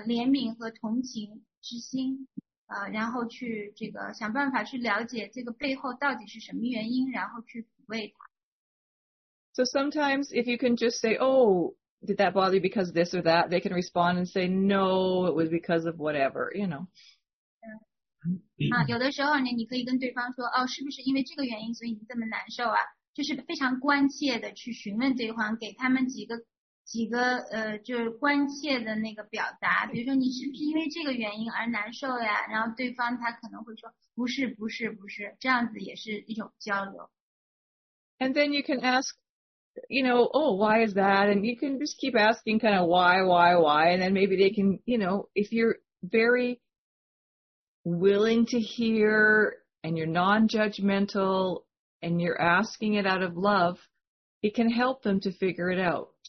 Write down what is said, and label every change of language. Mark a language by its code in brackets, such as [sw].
[zh] 比如说有的时候我们发现对方的那个情绪反应是非常的负面的，很激烈。那么这个时候我们可以有这种好奇，去找寻一下他到底是出于什么样的一个原因，才会这样子。但与此同时，我们的内心要对他有这种怜悯和同情之心。然后去这个想办法去了解这个背后到底是什么原因，然后去抚慰他。So [en] sometimes if you can just say, oh, did that bother you because of this or that, they can respond and say, no, it was because of whatever, you know. [zh] 有的时候呢，你可以跟对方说，哦，是不是因为这个原因，所以你这么难受啊？就是非常关切的去询问对方，给他们几个就是关切的那个表达，比如说你是不是因为这个原因而难受呀？然后对方他可能会说，不是，这样子也是一种交流。And [en] then you can ask, you know, oh, why is that? And you can just keep asking kind of why, and then maybe they can, you know, if you're very willing to hear and you're non-judgmental and you're asking it out of love, it can help them to figure it out.